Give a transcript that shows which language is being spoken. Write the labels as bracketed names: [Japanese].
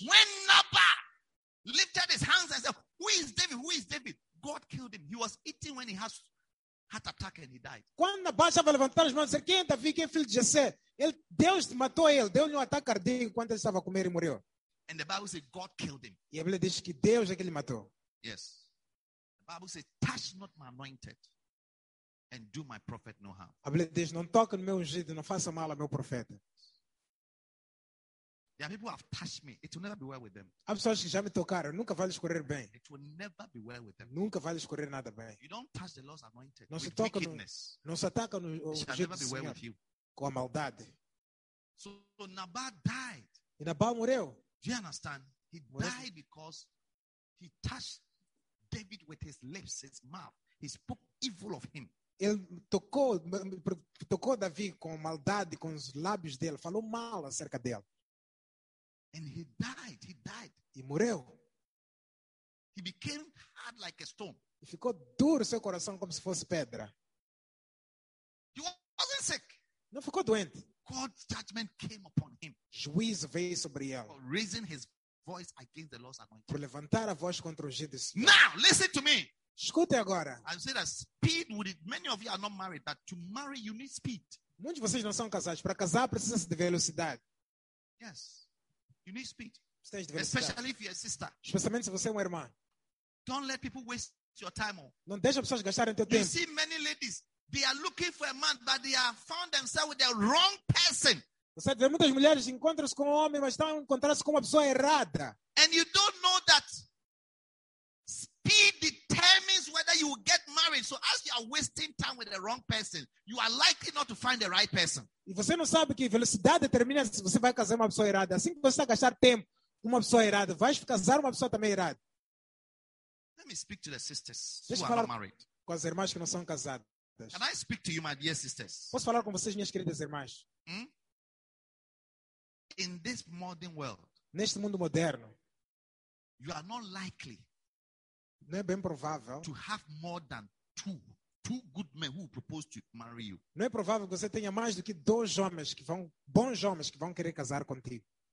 [English] When Nabal lifted his hands and said, "Who is David? Who is David?" God killed him. He was eating when he had heart attack and he died. [Portuguese] Quando Nabal estava levantando as mãos e disse, "Quem é Davi? Quem é filho de Jessé?" Deus matou ele. Deu-lhe um ataque cardíaco enquanto ele estava a comer e morreu. [English] And the Bible says God killed him. [Portuguese] E a Bíblia diz que Deus é que ele matou. [English] Yes. The Bible says, "Touch not my anointed, and do my prophet no harm." [Portuguese] A Bíblia diz, "Não toque no meu ungido, não faça mal ao meu profeta." [English] There are people who have touched me. It will never be well with them. [Portuguese] Pessoas que já me tocaram, nunca vai escorrer bem. [English] It will never be well with them. [Portuguese] Nunca vai escorrer nada bem. [English] You don't touch the Lord's anointed. [Portuguese] Não [English] with [Portuguese] se toca [English] wickedness. [Portuguese] No, não se ataca no, [English] it shall never be well with you. [Portuguese] Com a maldade. [English] So Nabal died. [Portuguese] E Nabal morreu. [English] Do you understand? He died because he touched David with his lips, his mouth. He spoke evil of him. [Portuguese] Ele tocou Davi com maldade, com os lábios dele. Falou mal acerca dele. [English] And he died. He died. [Portuguese] E morreu. [English] He became hard like a stone. [Portuguese] E ficou duro seu coração como se fosse pedra. [English] He wasn't sick. [Portuguese] Não ficou doente. [English] God's judgment came upon him. [Portuguese] Juízo veio sobre ele. [English] For raising his voice against the Lord's anointing. [Portuguese] Por levantar a voz contra o ungido. [English] Now, listen to me. [Portuguese] Escute agora. [English] I said that speed would it. Many of you are not married, but to marry you need speed. [Portuguese] Muitos de vocês não são casados. Para casar precisa de velocidade. [English] Yes. You need speed. Especially if you're a sister. [Portuguese] Especialmente se você é uma irmã. [English] Don't let people waste your time. [Portuguese] Não deixe as pessoas gastarem teu tempo. [English] You see many ladies, they are looking for a man, but they have found themselves with the wrong person. [Portuguese] Você vê muitas mulheres encontram-se com um homem, mas estão encontrando-se com uma pessoa errada. [English] And you don't know that speed determines whether you will get married. So as you are wasting time with the wrong person, you are likely not to find the right person. [Portuguese] E você não sabe que velocidade determina se você vai casar uma pessoa errada. Assim que você está a gastar tempo com uma pessoa errada, vais casar uma pessoa também errada. [English] Let me speak to the sisters who are not married. [Portuguese] Com as irmãs que não são casadas. [English] Can I speak to you, my dear sisters? [Portuguese] Posso falar com vocês, minhas queridas irmãs? [English] In this modern world, [Portuguese] neste mundo moderno, [English] you are not likely, [Portuguese] não é bem provável, [English] to have more than two good men who propose to marry you. [Portuguese] Não é provável que você tenha mais do que dois homens que vão, bons homens que vão querer casar contigo.